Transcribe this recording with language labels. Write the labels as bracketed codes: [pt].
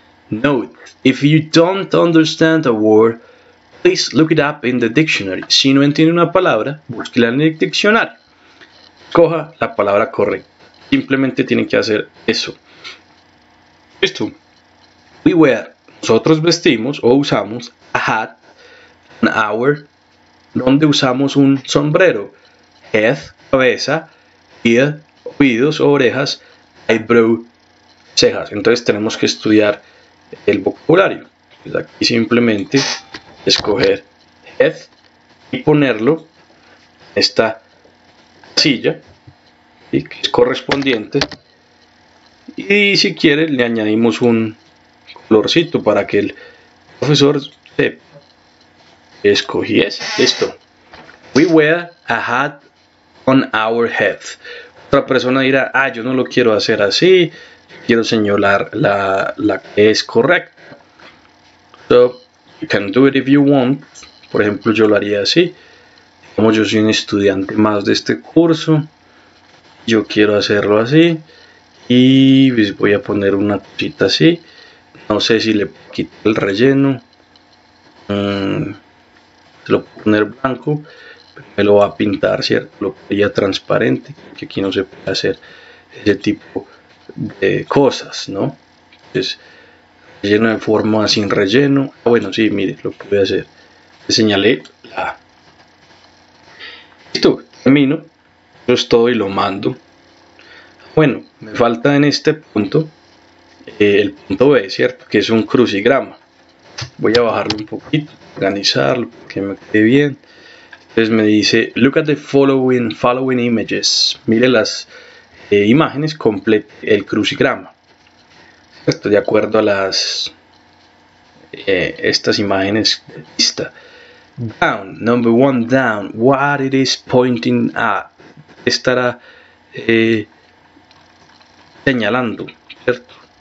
[en] Note, if you don't understand a word, please look it up in the dictionary. [es] Si no entiende una palabra, búsquela en el diccionario. Coja la palabra correcta. Simplemente tiene que hacer eso. Listo. [en] We wear. [es] Nosotros vestimos o usamos [en] a hat, an hour, [es] donde usamos un sombrero. Head, cabeza, ear, oídos o orejas, eyebrow, cejas. Entonces tenemos que estudiar el vocabulario. Pues aquí simplemente escoger head y ponerlo en esta silla, ¿sí? Que es correspondiente. Y si quiere, le añadimos un colorcito para que el profesor sepa que escogí ese. Listo. [en] We wear a hat on our head. [es] Otra persona dirá, ah, yo no lo quiero hacer así, quiero señalar la que es correcta. [en] So, you can do it if you want. [es] Por ejemplo, yo lo haría así. Como yo soy un estudiante más de este curso, yo quiero hacerlo así. Y pues voy a poner una cosita así. No sé si le quito el relleno. Se lo puedo poner blanco. Me lo va a pintar, ¿cierto? Lo pondría transparente, que aquí no se puede hacer ese tipo de cosas, ¿no? Entonces, relleno de forma sin relleno. Bueno, sí, mire, lo pude hacer. Le señalé la. Listo, termino. Yo estoy y lo mando. Bueno, me falta en este punto el punto B, ¿cierto? Que es un crucigrama. Voy a bajarlo un poquito, organizarlo, que me quede bien. Entonces me dice, [en] look at the following images. [es] Mire las imágenes, complete el crucigrama. Esto de acuerdo a las estas imágenes de pista. [en] Down, number one down. What it is pointing at. [es] Estará señalando, ¿cierto?